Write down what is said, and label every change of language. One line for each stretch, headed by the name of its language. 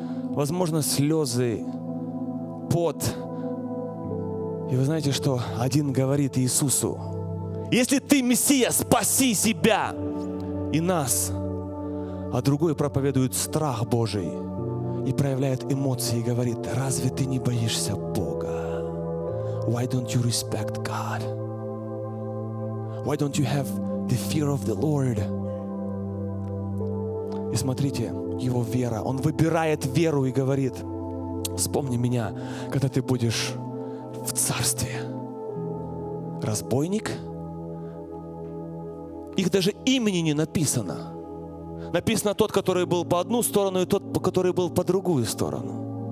Russian: Возможно, слезы, пот. И вы знаете, что один говорит Иисусу, «Если ты Мессия, спаси себя и нас». А другой проповедует страх Божий и проявляет эмоции и говорит, разве ты не боишься Бога?
English: Why don't you respect God? Why don't you have the fear of the Lord?
Russian: И смотрите, его вера, он выбирает веру и говорит, вспомни меня, когда ты будешь в царстве. Разбойник? Их даже имени не написано. Написано тот, который был по одну сторону, и тот, который был по другую сторону.